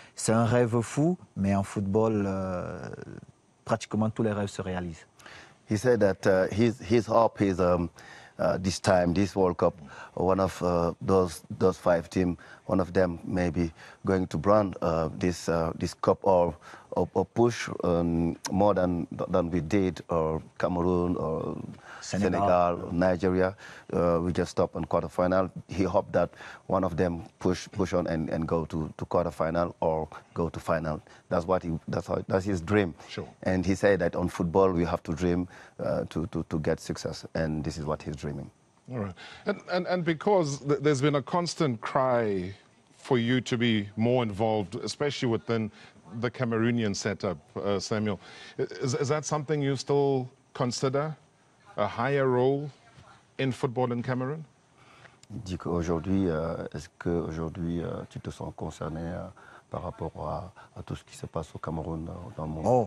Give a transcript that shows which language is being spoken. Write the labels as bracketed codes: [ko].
[fr] C'est un rêve fou, mais en football, pratiquement tous les rêves se réalisent. [en] He said that his hope is this time, this World Cup, one of those five teams, one of them maybe going to brand this cup or push more than we did, or Cameroon or Senegal or Nigeria. We just stopped on quarterfinal. He hoped that one of them push on and go to quarterfinal or go to final. That's what that's his dream. Sure. And he said that on football we have to dream to get success, and this is what he's dreaming. All right. And because there's been a constant cry for you to be more involved, especially within the Cameroonian setup, Samuel? Is that something you still consider a higher role in football in Cameroon? [fr] Dis qu'aujourd'hui, est-ce que aujourd'hui tu te sens concerné par rapport à tout ce qui se passe au Cameroun dans mon